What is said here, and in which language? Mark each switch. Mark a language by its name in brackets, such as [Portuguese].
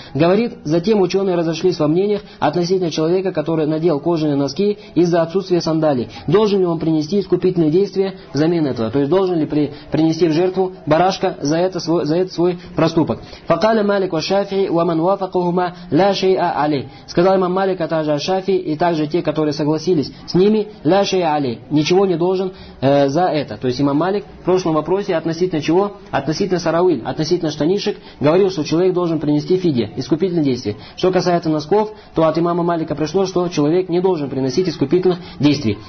[Russian] Говорит, затем ученые разошлись во мнениях относительно человека, который надел кожаные носки из-за отсутствия сандалий. Должен ли он принести искупительное действие взамен этого? То есть должен ли принести в жертву барашка за это свой проступок? [Arabic] فقال مالك والشافعي ومن وافقهما لا شيء عليه. [Russian] Сказал имам Малик, а также Аш-Шафии, и также те, которые согласились с ними, [Arabic] ля шей али, [Russian] ничего не должен за это. То есть имам Малик в прошлом вопросе относительно чего? Относительно сарауиль, относительно штанишек, говорил, что человек должен принести фидия, искупительное действие. Что касается носков, то от имама Малика пришло, что человек не должен приносить искупительных действий.